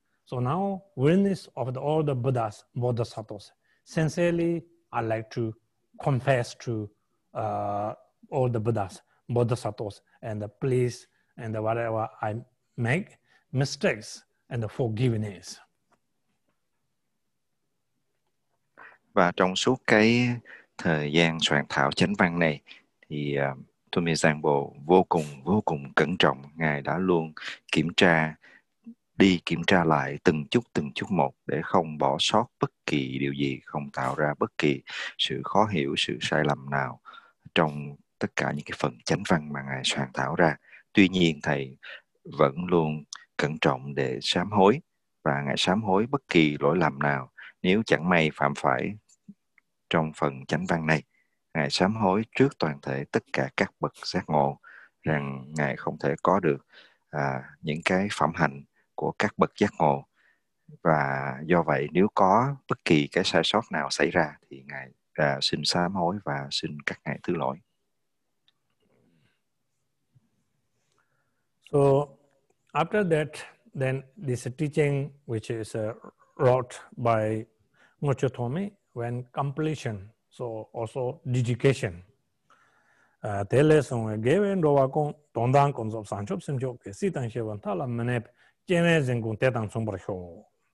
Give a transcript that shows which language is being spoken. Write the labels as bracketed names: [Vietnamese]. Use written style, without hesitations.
[English] So now witness of the, all the Buddhas, Bodhisattvas. Sincerely, I like to confess to all the Buddhas, Bodhisattvas, and please and whatever I make mistakes and the forgiveness. [Vietnamese] Và trong suốt cái thời gian soạn thảo chánh văn này thì Tommy Zangbo vô cùng cẩn trọng, ngài đã luôn kiểm tra lại từng chút một để không bỏ sót bất kỳ điều gì, không tạo ra bất kỳ sự khó hiểu, sự sai lầm nào trong tất cả những cái phần chánh văn mà ngài soạn thảo ra. Tuy nhiên thầy vẫn luôn cẩn trọng để sám hối, và ngài sám hối bất kỳ lỗi lầm nào nếu chẳng may phạm phải trong phần chánh văn này. Ngài sám hối trước toàn thể tất cả các bậc giác ngộ rằng ngài không thể có được những cái phẩm hạnh của các bậc giác ngộ, và do vậy nếu có bất kỳ cái sai sót nào xảy ra thì ngài xin sám hối và xin các ngài thứ lỗi. [English] So after that, then this teaching which is wrote by Ngocho Tomi when completion, so also dedication. Tele song gave in Rova Kong, Tondan Kons of Sancho Simjok, Sitan Shevan Tala Menep, Jenez and Guntetan Sombrecho.